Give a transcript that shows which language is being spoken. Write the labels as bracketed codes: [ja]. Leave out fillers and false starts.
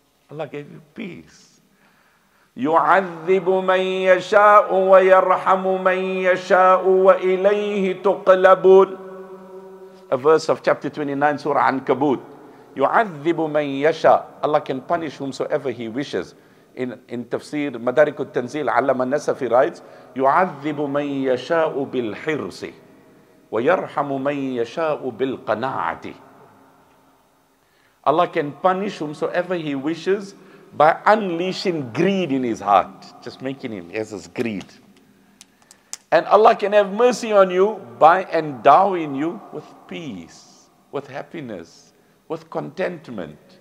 [en] Allah gave you peace. [ar] يُعَذِّبُ مَن يَشَاءُ وَيَرْحَمُ مَن يَشَاءُ وَإِلَيْهِ تُقْلَبُونَ. [en] A verse of chapter 29, Surah An-Kabut. [ar] يُعَذِّبُ مَن يَشَاءُ. [en] Allah can punish whomsoever He wishes. In Tafsir, Madarik al-Tanzil, Allama Nasafi writes, [ar] يُعَذِّبُ مَنْ يَشَاءُ بِالْحِرْسِ وَيَرْحَمُ مَنْ يَشَاءُ بِالْقَنَاعَةِ. [en] Allah can punish whomsoever He wishes by unleashing greed in his heart. Just making him, he has his greed. And Allah can have mercy on you by endowing you with peace, with happiness, with contentment.